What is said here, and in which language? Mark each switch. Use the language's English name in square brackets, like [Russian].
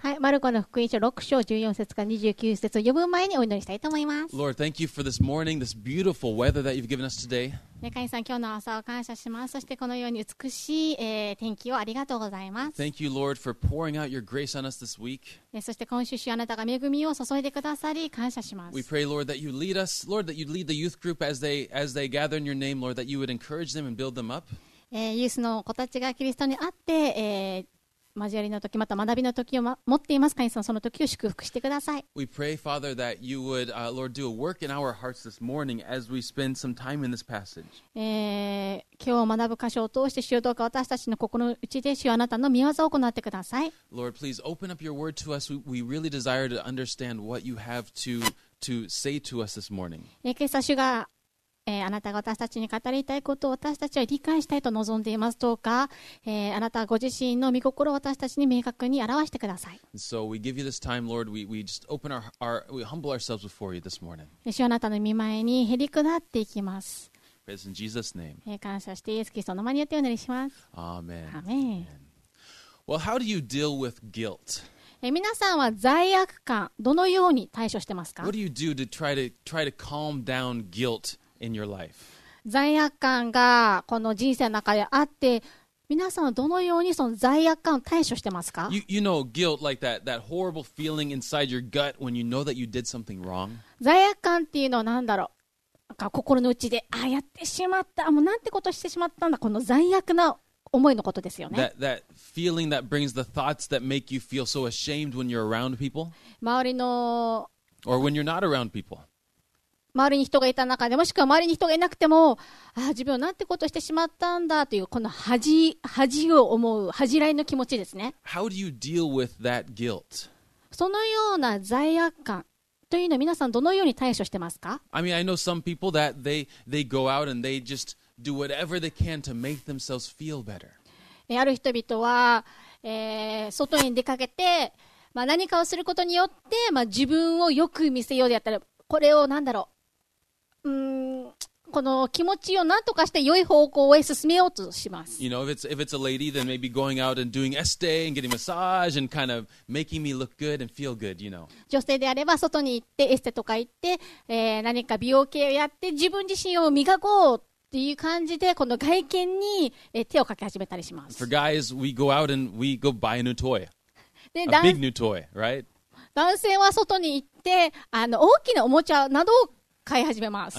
[Japanese] はい、マルコの福音書6章14節から29節を読む前にお祈りしたいと思います。 [English] Lord, thank you for this morning, this beautiful weather that you've given us today. [Japanese] 神さん、今日の朝を感謝します。そしてこのように美しい、天気をありがとうございます。 [English] Thank you, Lord, for pouring out your grace on us this week. [Japanese] そして今週、あなたが恵みを注いでくださり感謝します。 [English] We pray, Lord, that you lead us, Lord, that you lead the youth group as they gather in your name, Lord, that you would encourage them and build them up. [Japanese] ユースの子たちがキリストに会って、交わりの時また学びの時を、持っていますか、神様その時を祝福してください。 [English] We pray, Father, that you would, Lord, do a work in our hearts this morning as we spend some time in this passage. [Japanese] 今日学ぶ箇所を通して主よどうか私たちの心の内で主よあなたの御業を行ってください。 [English] Lord, please open up your word to us. We really desire to understand what you have to say to us this morning. [Japanese] 今朝主があなたが私たちに語りたいことを私たちは理解したいと望んでいます。どうか、あなたはご自身の御心を私たちに明確に表してください。 [English] So we give you this time, Lord. We just open our we humble ourselves before you this morning. [Japanese] 主はあなたの御前にへり下っていきます。 [English] Praise in Jesus' name. [Japanese] 感謝してイエス・キリストの名によってお祈りします。 [English] Amen. Amen. Well, how do you deal with guilt? [Japanese] 皆さんは罪悪感どのように対処してますか? [English] What do you do to try to calm down guilt? In your life. [Japanese] 罪悪感がこの人生の中であって皆さんはどのようにその罪悪感を対処してますか? [English] You know guilt like that horrible feeling inside your gut when you know that you did something wrong. [Japanese] 罪悪感っていうのは何だろう?なんか心の内でああやってしまったもうなんてことしてしまったんだこの罪悪な思いのことですよね。 [English] That feeling that brings the thoughts that make you feel so ashamed when you're around people. [Japanese] 周りの [English] Or when you're not around people. [Japanese] 周りに人がいた中でもしくは周りに人がいなくてもああ自分はなんてことをしてしまったんだというこの恥を思う恥じらいの気持ちですね。 [English] How do you deal with that guilt? [Japanese] そのような罪悪感というのを皆さんどのように対処してますか? [English] I mean, I know some people that they go out and they just do whatever they can to make themselves feel better. [Japanese] ある人々は、外に出かけて、まあ、何かをすることによって、まあ、自分をよく見せようであったらこれを何だろう、この気持ちを何とかして良い方向へ進めようとします。 [English] You know, if it's a lady, then maybe going out and doing este and getting massage and kind of making me look good and feel good, you know. [Japanese] 女性であれば外に行ってエステとか行って、何か美容系をやって自分自身を磨こうっていう感じでこの外見に手をかけ始めたりします。 [English] For guys, we go out and we go buy a new toy. A big new toy, right? [Japanese] 男性は外に行ってあの大きなおもちゃなどを買い始めます。